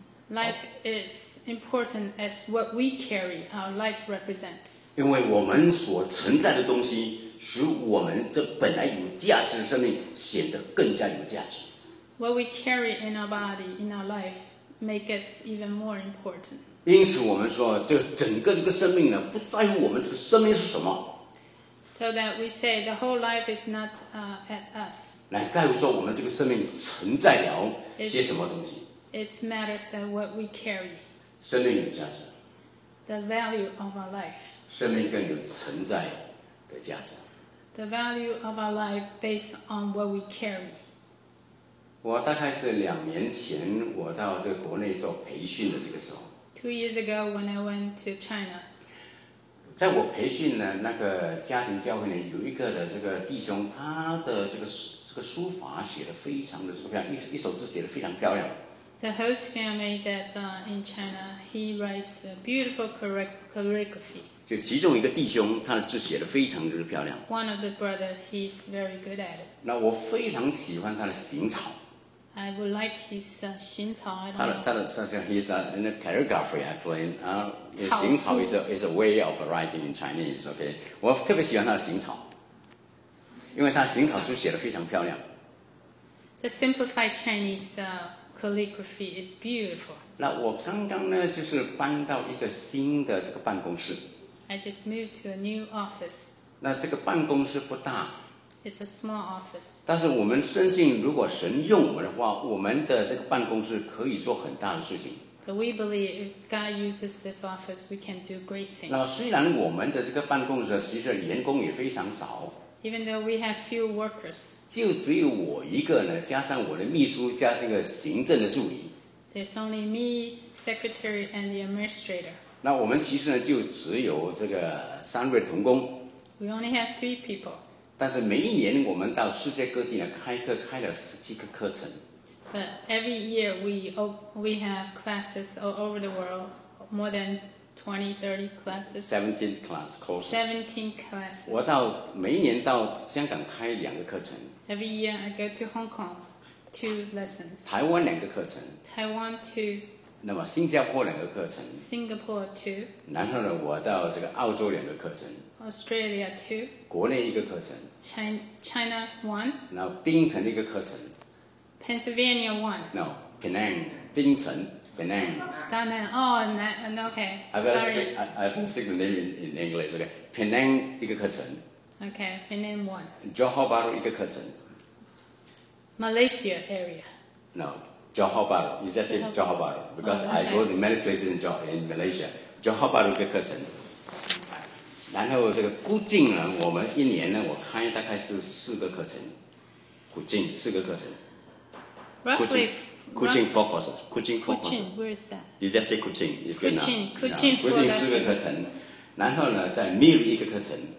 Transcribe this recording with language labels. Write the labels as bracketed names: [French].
[English] Life is important as what we carry, our life represents. [Chinese] 因为我们所承载的东西，使我们这本来有价值的生命显得更加有价值。 [English] What we carry in our body, in our life, make us even more important. [Chinese] 因此我们说，这整个这个生命呢，不在乎我们这个生命是什么。 [English] So that we say the whole life is not at us. [Chinese] 来，再说我们这个生命承载了些什么东西。 [English] It matters of what we carry. [Chinese] 生命有价值。 [English] The value of our life. [Chinese] 生命更有承载的价值。 [English] The value of our life based on what we carry. [Chinese] 我大概是两年前我到这个国内做培训的这个时候。 [English] Two years ago when I went to China. [Chinese] 在我培训呢，那个家庭教会呢，有一个的这个弟兄，他的这个书法写得非常的漂亮，一首字写得非常漂亮。 [English] The host family that in China, he writes a beautiful calligraphy. [Chinese] 就其中一个弟兄，他的字写得非常的漂亮。 [English] One of the brother, he's very good at it. [Chinese] 那我非常喜欢他的行草。 [English] I would like his 行草。 [Chinese] 他的上下 [English] ，he's a calligraphy actually. 行草 is a way of writing in Chinese. Okay, [Chinese] 我特别喜欢他的行草，因为他行草书写得非常漂亮。 [English] The simplified Chinese calligraphy is beautiful. [Chinese] 那我刚刚呢，就是搬到一个新的这个办公室。 [English] I just moved to a new office. [Chinese] 那这个办公室不大。 [English] It's a small office. [Chinese] 但是我们深信，如果神用我们的话，我们的这个办公室可以做很大的事情。 [English] But we believe if God uses this office, we can do great things. [Chinese] 那虽然我们的这个办公室其实员工也非常少。 [English] Even though we have few workers. [Chinese] 就只有我一个呢，加上我的秘书，加这个行政的助理。 [English] There's only me, secretary, and the administrator. [Chinese] 那我们其实呢，就只有这个三位同工。 [English] We only have three people. [Chinese] 但是每一年我们到世界各地呢开课，开了十几个课程。 [English] But every year we have classes all over the world, more than 20, 30 classes. 17 class courses. 17 classes. [Chinese] 我到每一年到香港开两个课程。 [English] Every year I go to Hong Kong, two lessons. [Chinese] 台湾两个课程。 [English] Taiwan two. [Chinese] 那么新加坡两个课程。 [English] Singapore two. [Chinese] 然后呢，我到这个澳洲两个课程。 [English] Australia two. [Chinese] 国内一个课程。 [English] China one. [Chinese] 然后槟城一个课程。 [English] Pennsylvania one. No, Penang. 槟城 Penang. Penang. Oh, that, okay. I've got to speak the name in English. Okay. [Chinese] Penang 一个课程。 [English] Okay, Penang one. [Chinese] Johor Bahru 一个课程。 [English] Malaysia area. No, Johor Bahru. You just say Johor Bahru because I go to many places in Johor in Malaysia. [Chinese] Johor Bahru 一个课程。然后这个古晋呢，我们一年呢，我开大概是四个课程，古晋四个课程。 [English] Roughly, 古晋 four courses, 古晋 four courses. Where is that? You just say 古晋 is good enough. [Chinese] 古晋，古晋四个课程，然后呢，在 Neil 一个课程。